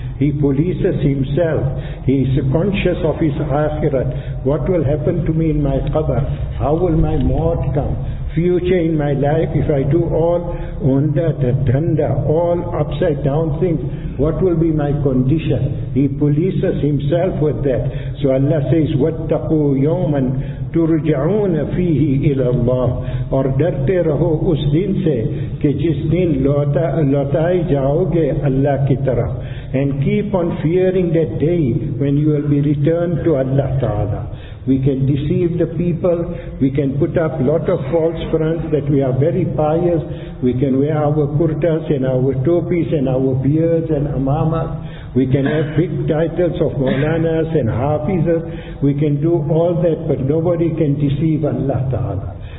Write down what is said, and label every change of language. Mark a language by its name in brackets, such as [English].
[English] He polices himself. He is conscious of his akhirat. What will happen to me in my qabr? How will my maut come? Future in my life, if I do all unda, dhanda, all upside down things, what will be my condition? He polices himself with that. So Allah says, [Arabic] وَاتَّقُوا يَوْمًا تُرْجَعُونَ فِيهِ إِلَى اللَّهِ [Urdu] اور ڈرتے رہو اس دن سے کہ جس دن لوٹائے جاؤ گے اللہ کی طرف. [English] And keep on fearing that day when you will be returned to Allah Ta'ala. We can deceive the people, we can put up lot of false fronts that we are very pious, we can wear our kurtas and our topis and our beards and amamas, we can have big titles of maulanas and hafizas, we can do all that, but nobody can deceive Allah Ta'ala.